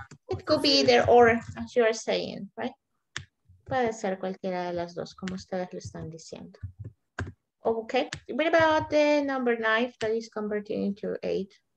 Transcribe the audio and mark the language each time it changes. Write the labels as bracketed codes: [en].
[en] It could be either or, as you are saying, right? [es] Puede ser cualquiera de las dos, como ustedes lo están diciendo. [en] Okay. What about the number nine that is converting into eight?